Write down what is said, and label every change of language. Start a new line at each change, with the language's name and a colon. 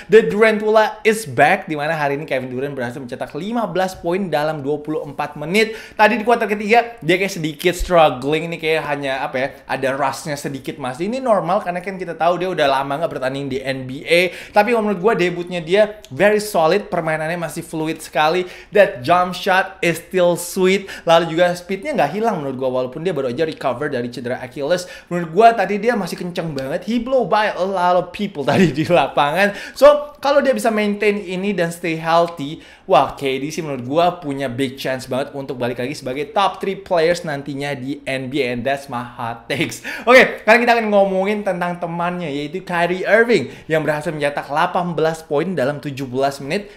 English: The Durantula is back,
Indonesian: di mana hari ini Kevin Durant berhasil mencetak 15 poin dalam 24 menit. Tadi di kuarter ketiga, dia kayak sedikit struggling, ini kayak hanya apa ya, ada rustnya sedikit masih. Ini normal karena kan kita tahu dia udah lama nggak bertanding di NBA. Tapi menurut gue debutnya dia
English: very solid,
Indonesian: permainannya masih fluid sekali.
English: That jump shot is still sweet.
Indonesian: Lalu juga speednya nggak hilang menurut gue, walaupun dia baru aja recover dari cedera Achilles. Menurut gue tadi dia masih kenceng banget.
English: He blow by a lot of people
Indonesian: tadi di lapangan. So, kalau dia bisa maintain ini dan
English: stay healthy,
Indonesian: wah, KD sih menurut gue punya
English: big chance
Indonesian: banget untuk balik lagi sebagai
English: top 3 players
Indonesian: nantinya di NBA.
English: And that's my hot takes.
Indonesian: Oke, sekarang kita akan ngomongin tentang temannya, yaitu Kyrie Irving, yang berhasil mencetak 18 poin dalam 17 menit.